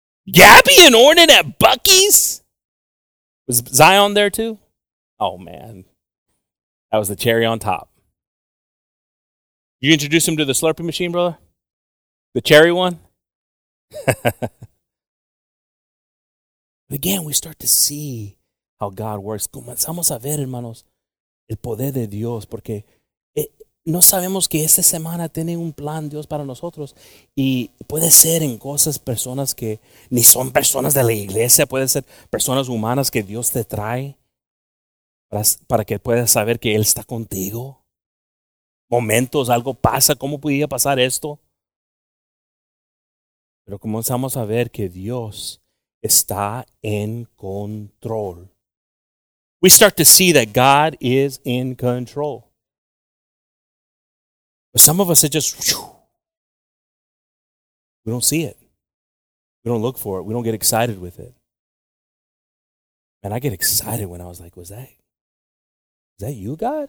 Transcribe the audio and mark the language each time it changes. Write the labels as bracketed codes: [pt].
[en] Gabby and Ornan at Buc-ee's? Was Zion there too? Oh, man. That was the cherry on top. You introduce him to the Slurpee machine, brother? The cherry one? Again, we start to see how God works. [es] Comenzamos a ver, hermanos, el poder de Dios, porque no sabemos que esta semana tiene un plan Dios para nosotros. Y puede ser en cosas, personas que ni son personas de la iglesia, puede ser personas humanas que Dios te trae para que puedas saber que Él está contigo. Momentos, algo pasa, ¿cómo podía pasar esto? Pero comenzamos a ver que Dios está en control. [en] We start to see that God is in control. But some of us, it just, we don't see it. We don't look for it. We don't get excited with it. And I get excited when I was like, was that you, God?